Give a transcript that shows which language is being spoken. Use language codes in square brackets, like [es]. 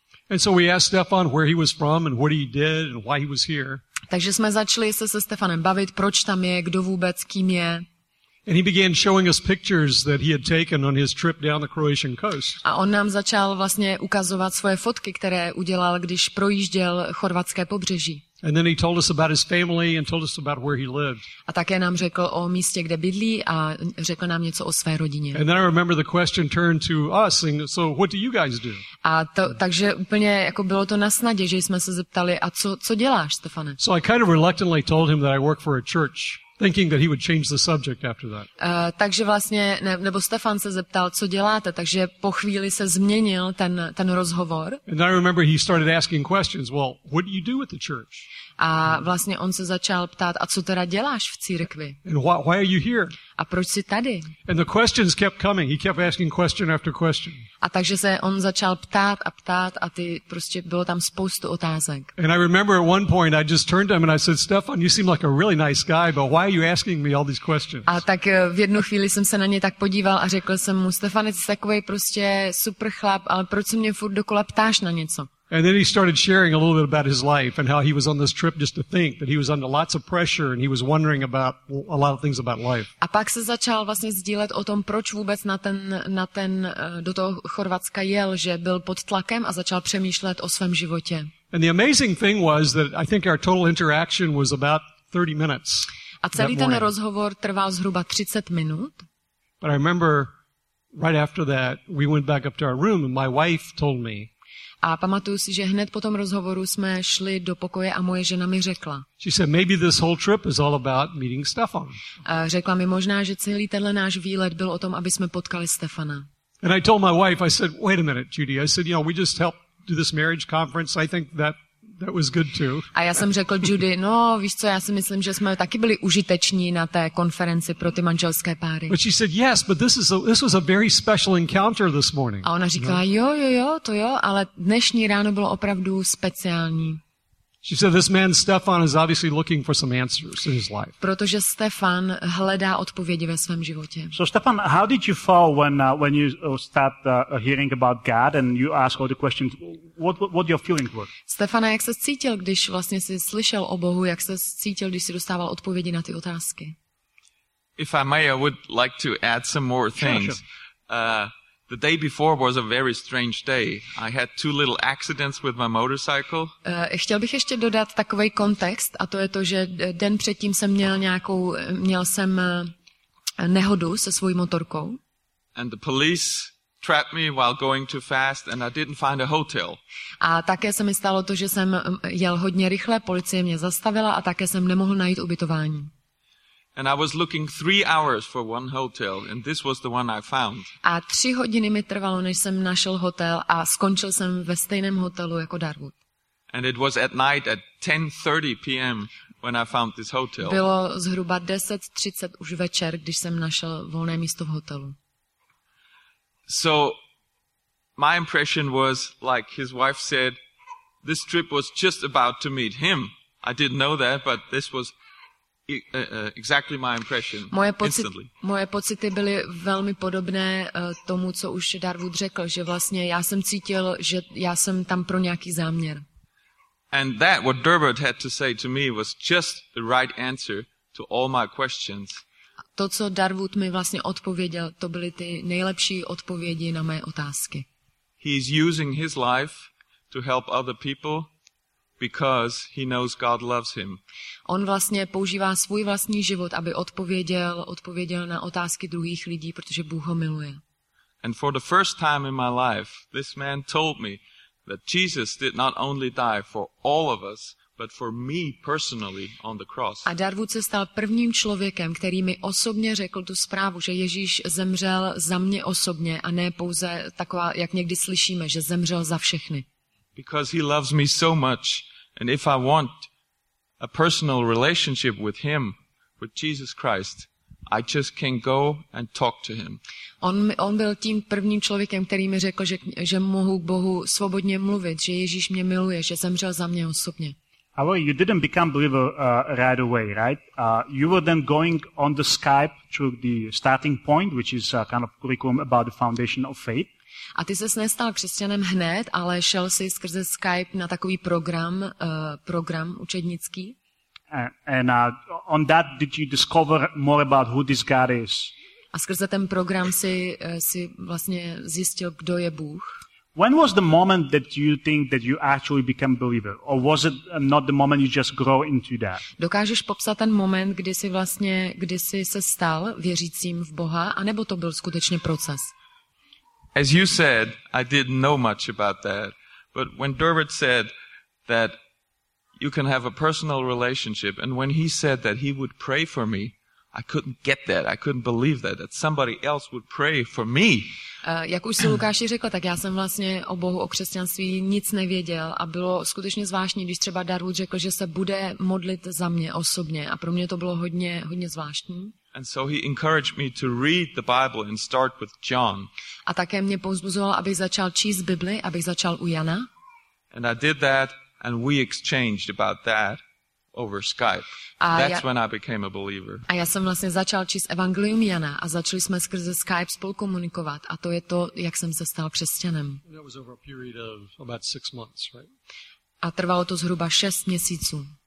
[en] And so we asked Stefan where he was from and what he did and why he was here. [cs] Takže jsme začali se Stefanem bavit, proč tam je, kdo vůbec, kým je. [en] And he began showing us pictures that he had taken on his trip down the Croatian coast. [cs] A on nám začal vlastně ukazovat svoje fotky, které udělal, když projížděl chorvatské pobřeží. [en] And then he told us about his family and told us about where he lived. [cs] A také nám řekl o místě, kde bydlí, a řekl nám něco o své rodině. [en] And then I remember the question turned to us, and so what do you guys do? [cs] A to, takže úplně jako bylo to na snadě, že jsme se zeptali, a co děláš, Stefane? [en] So I kind of reluctantly told him that I work for a church, thinking that he would change the subject after that. [cs] Takže vlastně nebo Stefan se zeptal, co děláte, takže po chvíli se změnil ten rozhovor. [en] And I remember he started asking questions. Well, what do you do with the church? [cs] A vlastně on se začal ptát, a co teda děláš v církvi? [en] And why are you here? [cs] A proč jsi tady? [en] And the questions kept coming. He kept asking question after question. [cs] A takže se on začal ptát a ptát a ty prostě bylo tam spoustu otázek. [en] And I remember at one point I just turned to him and I said, Stefan, you seem like a really nice guy, but why are you asking me all these questions? [cs] A tak v jednu chvíli jsem se na něj tak podíval a řekl jsem mu, Stefane, jsi takovej prostě super chlap, ale proč se mě furt dokola ptáš na něco? [en] And then he started sharing a little bit about his life and how he was on this trip just to think that he was under lots of pressure and he was wondering about a lot of things about life. [cs] A pak se začal vlastně sdílet o tom, proč vůbec na ten do toho Chorvatska jel, že byl pod tlakem a začal přemýšlet o svém životě. [en] And the amazing thing was that I think our total interaction was about 30 minutes. [cs] A celý ten rozhovor trval zhruba 30 minut. [en] But I remember right after that we went back up to our room and my wife told me. [cs] A pamatuju si, že hned po tom rozhovoru jsme šli do pokoje a moje žena mi řekla. [en] She said, maybe this whole trip is all about meeting Stefan. [cs] A řekla mi možná, že celý tenhle náš výlet byl o tom, aby jsme potkali Stefana. [en] And I told my wife, I said, wait a minute, Judy. I said, you know, we just helped do this marriage conference. I think that was good too. [cs] A já jsem řekl Judy, no, víš co, já si myslím, že jsme taky byli užiteční na té konferenci pro ty manželské páry. [en] But she said, yes, but this was a very special encounter this morning. [cs] A ona říkala, jo, to jo, ale dnešní ráno bylo opravdu speciální. [en] She said, this man Stefan is obviously looking for some answers in his life. [cs] Protože Stefan hledá odpovědi ve svém životě. [en] So Stefan, how did you feel when you start hearing about God and you ask all the questions? What your feeling was? [cs] Stefane, jak se cítil, když vlastně si slyšel o Bohu, jak se cítil, když si dostával odpovědi na ty otázky? [en] If I may, I would like to add some more things. Sure. The day before was a very strange day. I had two little accidents with my motorcycle. [cs] Chtěl bych ještě dodat takový kontext, a to je to, že den předtím jsem měl jsem nehodu se svojí motorkou. [en] And the police trapped me while going too fast and I didn't find a hotel. [cs] A také se mi stalo to, že jsem jel hodně rychle, policie mě zastavila a také jsem nemohl najít ubytování. [en] And I was looking 3 hours for one hotel, and this was the one I found. [cs] A 3 hodiny mi trvalo, než jsem našel hotel, a skončil jsem ve stejném hotelu jako Darwood. [en] And it was at night at 10:30 p.m. when I found this hotel. [cs] Bylo zhruba 10:30 už večer, když jsem našel volné místo v hotelu. [en] So my impression was, like his wife said, this trip was just about to meet him. I didn't know that, but this was exactly my impression. [cs] Moje pocity byly velmi podobné tomu, co už Darwood řekl, že vlastně já jsem cítil, že já jsem tam pro nějaký záměr. [en] And that what Darwood had to say to me was just the right answer to all my questions. [cs] To, co Darwood mi vlastně odpověděl, to byly ty nejlepší odpovědi na mé otázky. [en] He is using his life to help other people. Because he knows God loves him. [cs] On vlastně používá svůj vlastní život, aby odpověděl na otázky druhých lidí, protože Bůh ho miluje. [en] And for the first time in my life, this man told me that Jesus did not only die for all of us, but for me personally on the cross. [cs] A Darwood se stal prvním člověkem, který mi osobně řekl tu zprávu, že Ježíš zemřel za mě osobně a ne pouze taková, jak někdy slyšíme, že zemřel za všechny. [en] Because he loves me so much, and if I want a personal relationship with him, with Jesus Christ, I just can go and talk to him. [cs] On byl tím prvním člověkem, který mi řekl, že mohu k Bohu svobodně mluvit, že Ježíš mě miluje, že zemřel za mě osobně. [en] However, you didn't become believer right away, right? You were then going on the Skype to the starting point, which is a kind of curriculum about the foundation of faith. [cs] A ty ses nestal křesťanem hned, ale šel si skrze Skype na takový program učednický. [en] And on that did you discover more about who this God is? [cs] A skrze ten program si vlastně zjistil, kdo je Bůh. [en] When was the moment that you think that you actually became a believer? Or was it not the moment you just grow into that? [cs] Dokážeš popsat ten moment, kdy jsi se stal věřícím v Boha, anebo to byl skutečně proces? [en] As you said, I didn't know much about that. But when Darwood said that you can have a personal relationship, and when he said that he would pray for me, I couldn't get that. I couldn't believe that somebody else would pray for me. [cs] Jak už si Lukáši řekl, tak já jsem vlastně o Bohu, o křesťanství nic nevěděl a bylo skutečně zvláštní, když třeba Darwood řekl, že se bude modlit za mě osobně a pro mě to bylo hodně, hodně zvláštní. [en] And so he encouraged me to read the Bible and start with John. [cs] A také mě povzbuzoval, abych začal číst Bibli, abych začal u Jana. [en] And I did that and we exchanged about that over Skype. When I became a believer. [cs] A já jsem vlastně začal číst Evangelium Jana a začali jsme skrze Skype spolu komunikovat a to je to, jak jsem se stal křesťanem. [en] That was over a period of about 6 months, right? [cs] A trvalo to zhruba 6 měsíců.